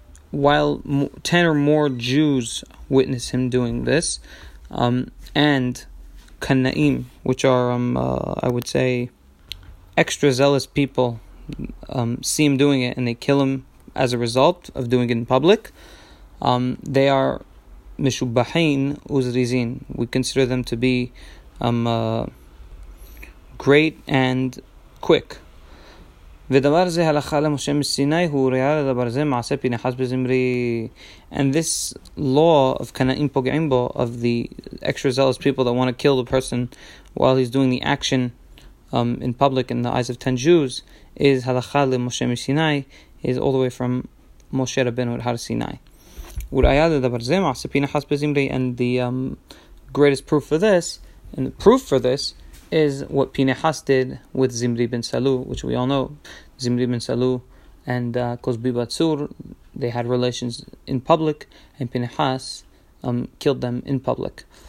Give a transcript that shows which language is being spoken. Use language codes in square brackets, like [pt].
[en] while 10 or more Jews witness him doing this, and kanaim, which are I would say extra zealous people, see him doing it and they kill him as a result of doing it in public, they are [he] mishubahin uzrizin. [en] We consider them to be great and quick. [he] ודבר זה הלכה למשה מסיני הוא ראה לדבר זה מעשה פינחס בזמרי. [en] And this law of [he] kana'im pogaim bo, [en] of the extra zealous people that want to kill the person while he's doing the action in public in the eyes of 10 Jews, is halakha [he] למשה מסיני, [en] is all the way from Moshe Rabbeinu at Har Sinai. [he] וראה לדבר זה מעשה פינחס בזמרי. [en] And the greatest proof for this, and the proof for this, is what Pinehas did with Zimri bin Salu, which we all know. Zimri bin Salu and Kozbi Batsur, they had relations in public, and Pinehas killed them in public.